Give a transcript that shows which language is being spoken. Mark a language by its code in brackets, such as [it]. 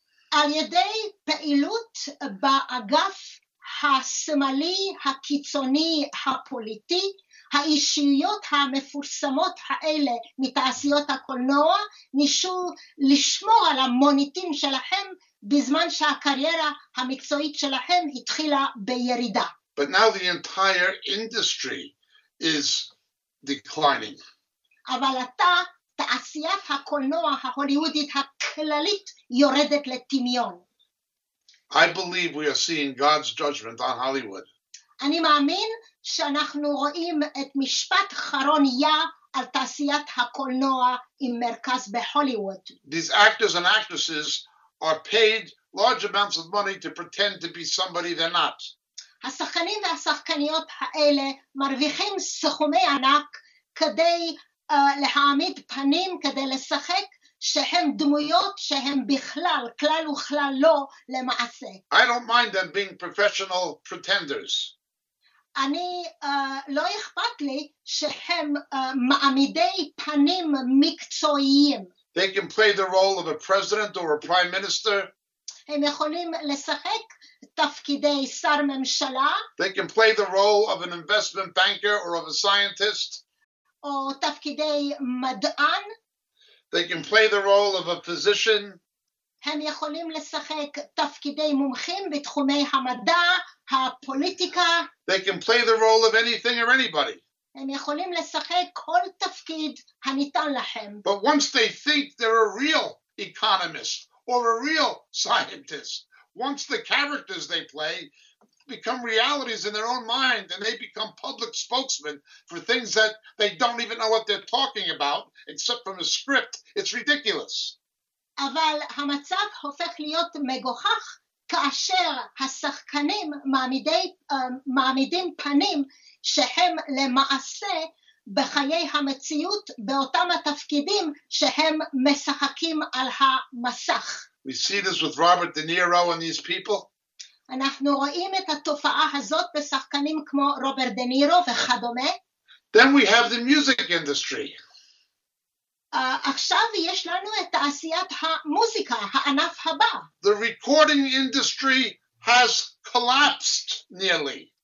[he] על ידי פעילות באגף השמאלי הקיצוני הפוליטי, האישיות המפורסמות האלה מתעשיות הקולנוע נישו לשמור על המוניטין שלהם בזמן שהקריירה המקצועית שלהם התחילה בירידה. [en] But now the entire industry is declining. [he] אבל עתה תעשיית הקולנוע ההוליוודית הכללית יורדת לטמיון. [en] I believe we are seeing God's judgment on Hollywood. [he] אני מאמין שאנחנו רואים את משפט חרון יה על תעשיית הקולנוע עם מרכז בהוליווד. [en] These actors and actresses are paid large amounts of money to pretend to be somebody they're not. [he] השחקנים והשחקניות האלה מרוויחים סכומי ענק כדי להעמיד פנים, כדי לשחק שהם דמויות שהם בכלל, כלל וכלל לא למעשה. [en] I don't mind them being professional pretenders. [he] אני לא אכפת לי שהם מעמידי פנים מקצועיים. [en] They can play the role of a president or a prime minister. [he] הם יכולים לשחק תפקידי שר ממשלה. [en] They can play the role of an investment banker or of a scientist. [he] או תפקידי מדען. [en] They can play the role of a physician. [he] הם יכולים לשחק תפקידי מומחים בתחומי המדע, הפוליטיקה. [en] They can play the role of anything or anybody. [he] הם יכולים לשחק כל תפקיד הניתן להם. [en] But once they think they're a real economist or a real scientist, once the characters they play become realities in their own mind and they become public spokesmen for things that they don't even know what they're talking about except from a script, it's ridiculous. [he] אבל המצב הופך להיות מגוחך כאשר השחקנים מעמידים פנים שהם למעשה בחיי המציאות באותם התפקידים שהם משחקים על המסך. [en] We see this with Robert De Niro and these people. [he] אנחנו רואים את התופעה הזאת בשחקנים כמו רוברט דה נירו וכדומה. [en] Then we have the music industry. [he] עכשיו יש לנו את תעשיית המוזיקה, הענף הבא. [en] The recording industry has collapsed nearly.